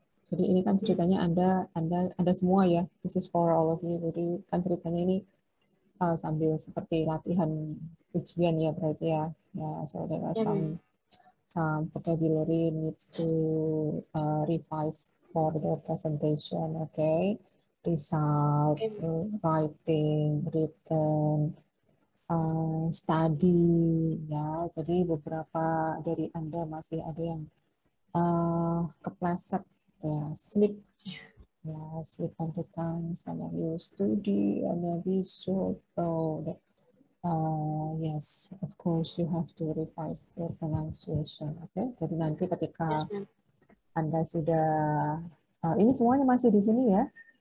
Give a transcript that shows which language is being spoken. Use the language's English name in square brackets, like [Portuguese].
[Indonesian] Jadi ini kan ceritanya anda semua ya. [English] This is for all of you. [Indonesian] Jadi kan ceritanya ini sambil seperti latihan ujian ya berarti ya. [English] Yeah, so there are some vocabulary needs to revise for the presentation, okay? Result, writing, written, study, ya. [Indonesian] Jadi beberapa dari Anda masih ada yang kepleset, ya, sleep. [English] Ya, sleep on the tongue, some of you study, maybe soto. Yes, of course you have to revise your pronunciation. [Indonesian] Okay, jadi nanti ketika Anda sudah ini semuanya masih di sini ya.